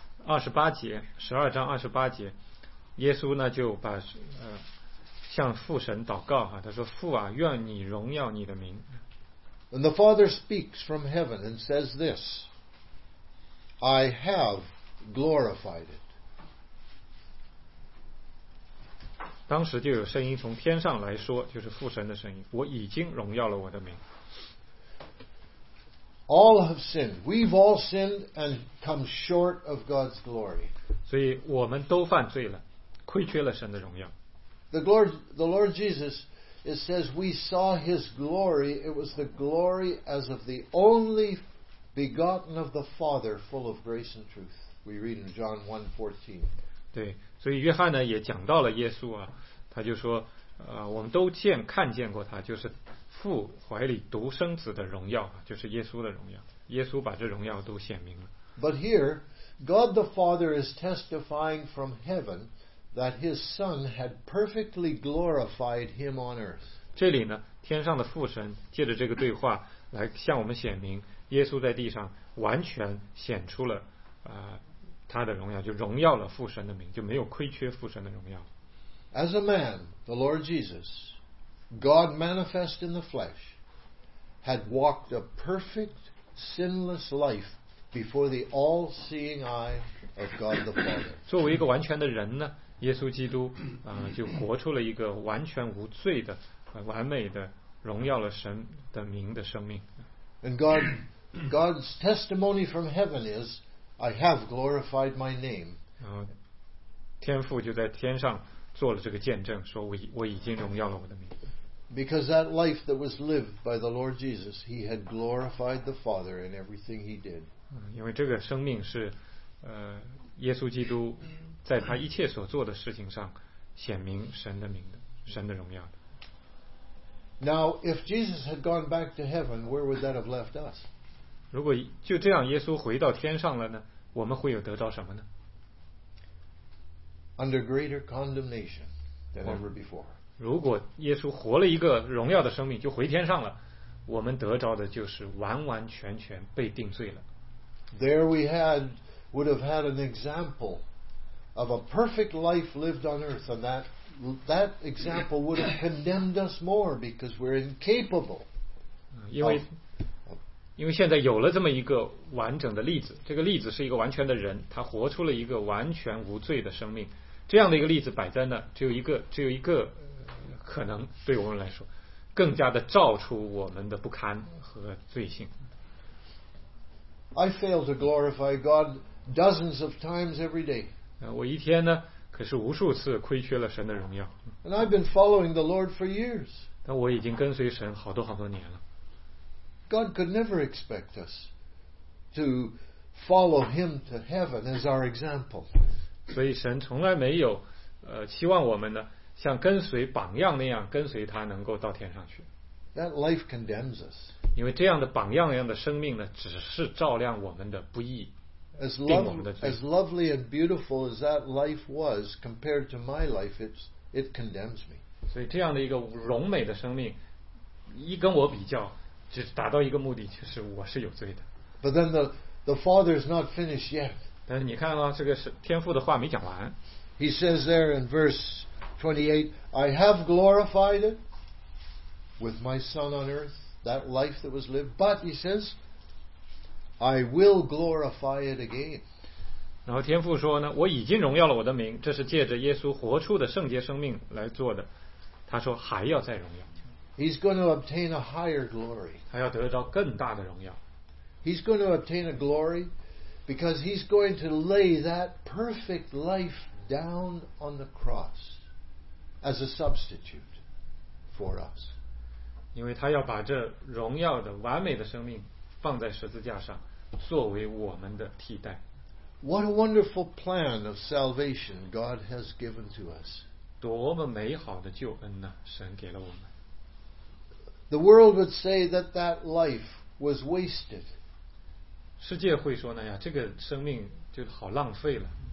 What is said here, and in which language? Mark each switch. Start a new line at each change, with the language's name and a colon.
Chinese: 二十八节，十二章二十八节，耶稣呢就把向父神祷告哈，他说父啊，愿你荣耀你的名。
English: And the Father speaks from heaven and says this. I have glorified it.
Chinese: 当时就有声音从天上来说，就是父神的声音，我已经荣耀了我的名。
English: All have sinned. We've all sinned and come short of God's glory.
Chinese: 所以我们都犯罪了，亏缺了神的荣耀。
English: The Lord Jesus, it says, we saw his glory. It was the glory as of the only Begotten of the Father, full of grace and truth. We read in John 1:14.
Chinese: 对，所以约翰呢也讲到了耶稣啊，他就说，我们都见看见过他，就是父怀里独生子的荣耀，就是耶稣的荣耀。耶稣把这荣耀都显明了。
English: But here, God the Father is testifying from heaven that His Son had perfectly glorified Him on earth.
Chinese: 这里呢，天上的父神借着这个对话来向我们显明。耶稣在地上完全显出了他的荣耀，就荣耀了父神的名，就没有亏缺父神的荣耀。
English: As a man, the Lord Jesus, God manifest in the flesh, had walked a perfect sinless life before the all-seeing eye of God the Father.
Chinese: 作为一个完全的人呢，耶稣基督就活出了一个完全无罪的完美的荣耀了神的名的生命。
English: And God's testimony from heaven is, I have glorified my name.
Chinese: 天父就在天上做了这个见证，说我已经荣耀了我的名。
English: Because that life that was lived by the Lord Jesus, He had glorified the Father in everything He did.
Chinese: 因为这个生命是耶稣基督在他一切所做的事情上显明神的名的，神的荣耀的。
English: Now, if Jesus had gone back to heaven, where would that have left us?
Chinese: 如果就这样耶稣回到天上了呢，我们会有得到什么呢？
English: Under greater condemnation than ever before.
Chinese: 如果耶稣活了一个荣耀的生命就回天上了，我们得着的就是完完全全被定罪了。
English: There we had would have had an example of a perfect life lived on earth, and that example would have condemned us more because we're incapable.
Chinese: 因为现在有了这么一个完整的例子，这个例子是一个完全的人，他活出了一个完全无罪的生命，这样的一个例子摆在那，只有一个可能，对我们来说更加的照出我们的不堪和罪性。
English: I fail to glorify God dozens of times every day.
Chinese: 我一天呢可是无数次亏缺了神的荣耀。
English: And I've been following the Lord for years.
Chinese: 但我已经跟随神好多好多年了。
English: God could never expect us to follow him to heaven as our example.
Chinese: 所以神从来没有期望我们呢像跟随榜样那样跟随他能够到天上去。
English: That life condemns us.
Chinese: 因为这样的榜样一样的生命呢只是照亮我们的不义。
English: As lovely and beautiful as that life was, compared to my life, it condemns me.
Chinese: 所以这样的一个荣美的生命，一跟我比较，只达到一个目的，就是我是有罪的。
English: But then the Father is not finished yet.
Chinese: 但是你看啊，这个是天父的话没讲完。
English: He says there in verse 28, I have glorified it with my Son on earth, that life that was lived. But he says. I will glorify it again.
Chinese: 然后天父说呢，我已经荣耀了我的名，这是借着耶稣活出的圣洁生命来做的。他说还要再荣耀。
English: He's going to obtain a higher glory.
Chinese: 他要得到更大的荣耀。
English: He's going to obtain a glory because he's going to lay that perfect life down on the cross as a substitute for us.
Chinese: 因为他要把这荣耀的完美的生命放在十字架上，作为我们的替代。
English: What a wonderful plan of salvation God has given to us!
Chinese: 多么美好的救恩呢？神给了我们。
English: The world would say that that life was wasted.
Chinese: 世界会说呢呀，这个生命就好浪费了。